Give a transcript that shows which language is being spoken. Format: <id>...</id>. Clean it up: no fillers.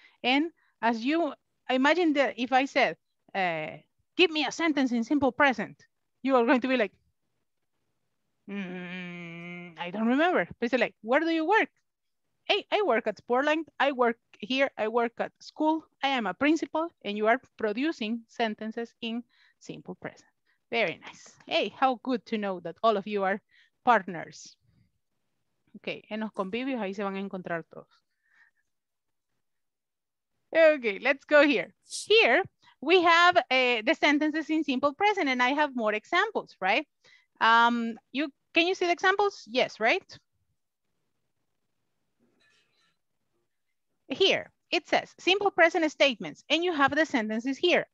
<en>And as you imagine that if I said, give me a sentence in simple present, you are going to be like, I don't remember. But it's like, where do you work? Hey, I work at Sportline. I work here. I work at school. I am a principal. And you are producing sentences in simple present. Very nice. Hey, how good to know that all of you are partners.</en> <es>Okay, en los convivios, ahí se van a encontrar todos.</es> <en>Okay, let's go here. Here, we have the sentences in simple present, and I have more examples, right? Can you see the examples? Yes, right? Here, it says simple present statements, and you have the sentences here.</en>